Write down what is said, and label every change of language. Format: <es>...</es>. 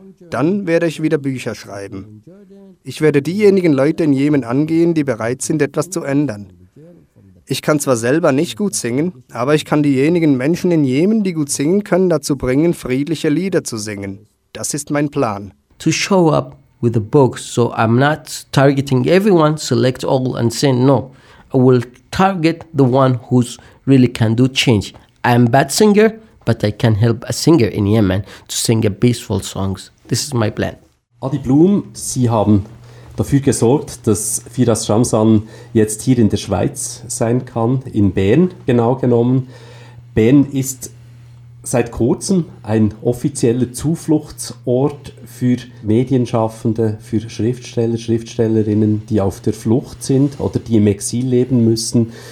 <de>Dann werde ich wieder Bücher schreiben. Ich werde diejenigen Leute in Jemen angehen, die bereit sind, etwas zu ändern. Ich kann zwar selber nicht gut singen, aber ich kann diejenigen Menschen in Jemen, die gut singen können, dazu bringen, friedliche Lieder zu singen. Das ist mein Plan.</de> <en>To show up with a book, so I'm not targeting everyone, select all and say no. I will target the one who's really can do change. I'm a bad singer, but I can help a singer in Yemen to sing a peaceful songs. This is my plan.</en> <de>Adi Blum, Sie haben dafür gesorgt, dass Firas Shamsan jetzt hier in der Schweiz sein kann, in Bern genau genommen. Bern ist seit kurzem ein offizieller Zufluchtsort für Medienschaffende, für Schriftsteller, Schriftstellerinnen, die auf der Flucht sind oder die im Exil leben müssen.</de>